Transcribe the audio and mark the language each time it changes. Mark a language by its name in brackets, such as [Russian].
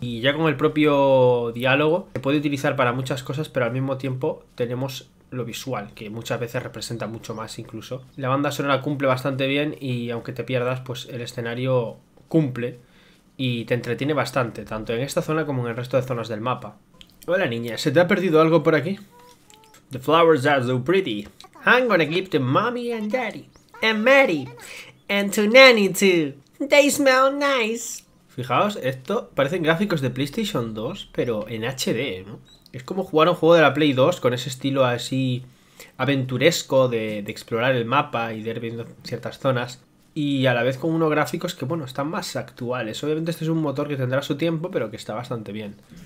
[Spanish] Y ya con el propio diálogo se puede utilizar para muchas cosas, pero al mismo tiempo tenemos lo visual, que muchas veces representa mucho más incluso. La banda sonora cumple bastante bien y aunque te pierdas, pues el escenario cumple y te entretiene bastante, tanto en esta zona como en el resto de zonas del mapa. Hola niña, ¿se te ha perdido algo por aquí? [English] The flowers are so pretty. I'm gonna give to mommy and daddy. And Mary. And to Nanny too. They smell. [Spanish] Fijaos, esto parecen gráficos de PlayStation 2, pero en HD, ¿no? Es como jugar un juego de la Play 2 con ese estilo así aventuresco de explorar el mapa y de ir viendo ciertas zonas. Y a la vez con unos gráficos que, bueno, están más actuales. Obviamente este es un motor que tendrá su tiempo, pero que está bastante bien.